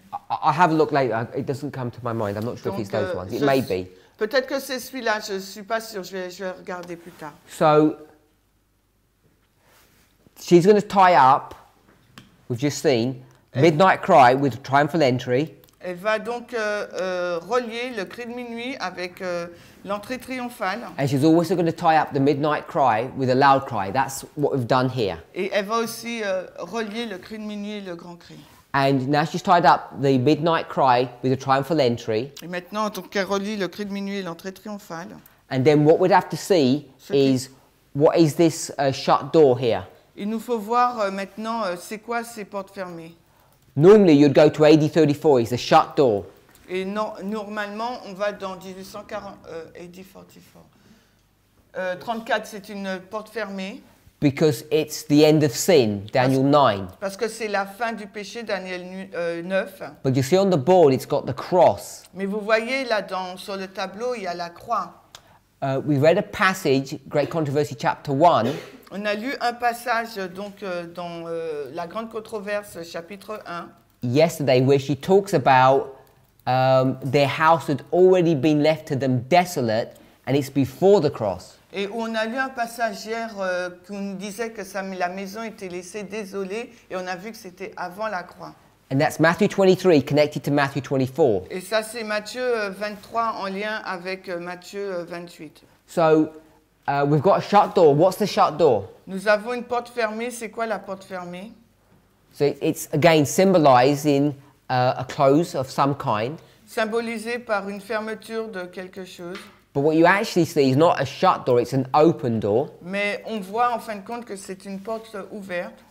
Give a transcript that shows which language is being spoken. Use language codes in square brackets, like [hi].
[en] I'll have a look later. It doesn't come to my mind. I'm not sure [fr] donc, [en] if it's those ones. It may be. [fr] Peut-être que c'est celui-là. Je suis pas sûr. Je vais regarder plus tard. [en] So she's going to tie up. We've just seen midnight cry with triumphal entry. [fr] Elle va donc relier le cri de minuit avec l'entrée triomphale. [en] And she's also going to tie up the midnight cry with a loud cry. That's what we've done here. [fr] Et elle va aussi relier le cri de minuit et le grand cri. [en] And now she's tied up the midnight cry with a triumphal entry. [fr] Et maintenant, donc, elle relie le cri de minuit et l'entrée triomphale. [en] And then what we'd have to see is what is this shut door here? [fr] Il nous faut voir maintenant c'est quoi ces portes fermées. [en] Normally you'd go to AD 34, it's a shut door. [fr] Et non, normalement on va dans 34, c'est une porte fermée. [en] Because it's the end of sin, Daniel 9. [fr] Parce que c'est la fin du péché, Daniel 9. [en] But you see on the board, it's got the cross. [fr] Mais vous voyez là, dans, sur le tableau, il y a la croix. [en] We read a passage, Great Controversy, chapter 1. [fr] On a lu un passage, donc, dans la grande controverse, chapitre 1. [en] Yesterday, where she talks about their house had already been left to them desolate, and it's before the cross. [fr] Et on a lu un passage hier qui nous disait que la maison était laissée désolée et on a vu que c'était avant la croix. [en] And that's Matthew 23 connected to Matthew 24. [fr] Et ça c'est Matthieu 23 en lien avec Matthieu 28. [en] So we've got a shut door. What's the shut door? [fr] Nous avons une porte fermée. C'est quoi la porte fermée? [en] So it's again symbolizing a close of some kind. [fr] Symbolisé par une fermeture de quelque chose. [en] But what you actually see is not a shut door, it's an open door. [fr] Mais on voit en fin de compte que c'est une porte ouverte.